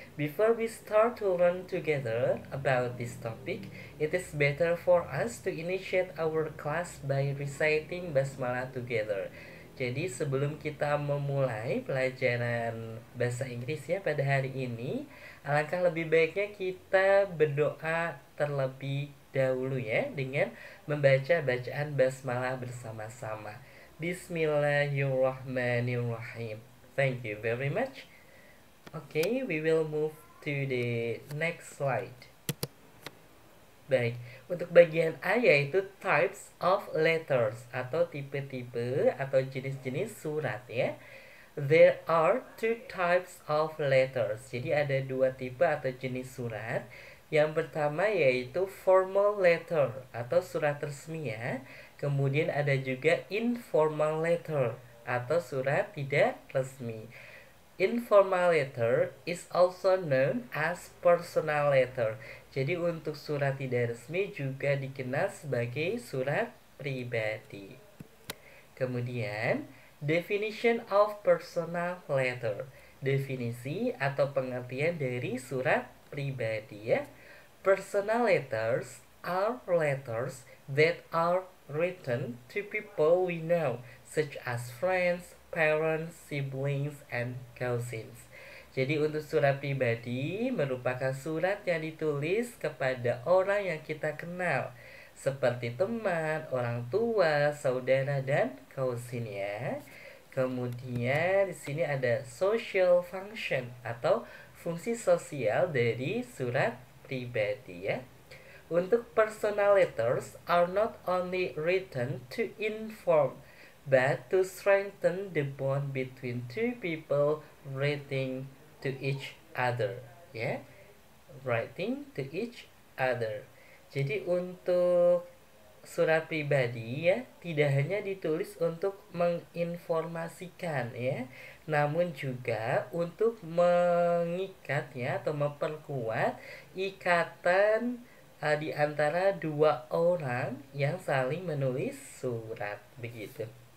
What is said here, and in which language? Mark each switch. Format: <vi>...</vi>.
<en>Before we start to learn together about this topic, it is better for us to initiate our class by reciting basmalah together.</en> <id>Jadi sebelum kita memulai pelajaran bahasa Inggris ya pada hari ini, alangkah lebih baiknya kita berdoa terlebih dahulu ya dengan membaca bacaan basmalah bersama-sama.</id> <en>Bismillahirrahmanirrahim. Thank you very much. Okay, we will move to the next slide.</en> <id>Baik, untuk bagian A yaitu</id> <en>types of letters</en> <id>atau tipe-tipe atau jenis-jenis surat ya.</id> <en>There are two types of letters.</en> <id>Jadi ada dua tipe atau jenis surat. Yang pertama yaitu formal letter atau surat resmi ya. Kemudian ada juga informal letter atau surat tidak resmi.</id> <en>Informal letter is also known as personal letter.</en> <id>Jadi untuk surat tidak resmi juga dikenal sebagai surat pribadi.</id> <en>Kemudian, definition of personal letter.</en> <id>Definisi atau pengertian dari surat pribadi ya.</id> <en>Personal letters are letters that are written to people we know, such as friends, parents, siblings, and cousins.</en> <id>Jadi untuk surat pribadi merupakan surat yang ditulis kepada orang yang kita kenal, seperti teman, orang tua, saudara, dan cousin ya. Kemudian di sini ada social function atau fungsi sosial dari surat pribadi ya.</id> <en>Untuk personal letters are not only written to inform, but to strengthen the bond between two people writing to each other. Yeah, writing to each other.</en> <id>Jadi untuk surat pribadi ya, tidak hanya ditulis untuk menginformasikan ya, namun juga untuk mengikat ya atau memperkuat ikatan di antara dua orang yang saling menulis surat begitu.</id>